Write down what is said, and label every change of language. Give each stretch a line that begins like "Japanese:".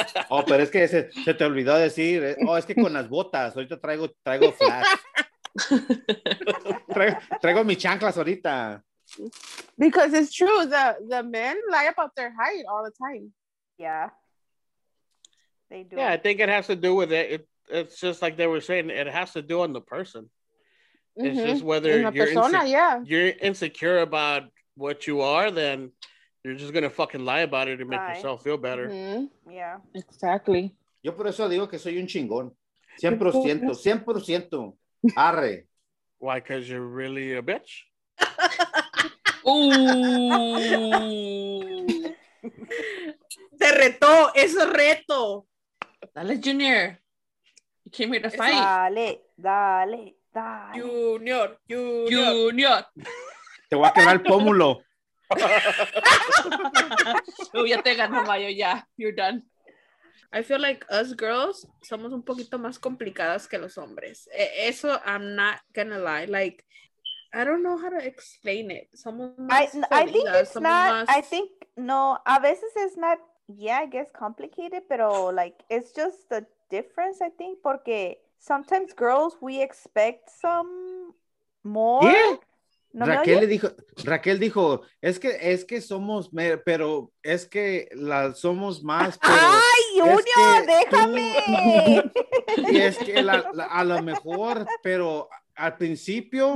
Spanish: Oh, pero es que se te olvidó decir, oh, es que con las botas, ahorita traigo flash. traigo mis chanclas ahorita.
English: Because it's true, the men lie about their height all the time. Yeah. They do. Yeah, I think it has to do with it. It's just like they were saying, it has to do on the person. Mm-hmm. It's just whether you're insecure about what you are, then you're just going to fucking lie about it to make yourself feel better. Mm-hmm. Yeah, exactly.
Spanish: Yo por eso digo que soy un chingón. 100%, 100%. Arre.
English: Why? Because you're really a bitch?
Spanish: Ooh. Te retó, es reto. Dale, Junior.
English: You came here to fight.
Spanish: Dale, dale, dale. Junior, Junior. Junior. Te voy a quemar el pómulo. Tú ya te ganó, Mayo, ya.
English: Yeah, you're done. I feel like us girls
Spanish: somos un poquito más complicadas que los hombres.
English: Eso, I'm not gonna lie. Like, I don't know how to explain it.
Spanish: Somos
English: más I think it's not, más... I think,
Spanish: no, a veces
English: it's not, yeah, I guess complicated, pero like, it's just the difference, I think, porque sometimes girls, we expect some more. Yeah.
Spanish: ¿No Raquel le dijo, Raquel dijo, es que somos, pero es que la somos más. Pero ¡ay, Junior, déjame! Y es que la, a lo mejor, pero al principio,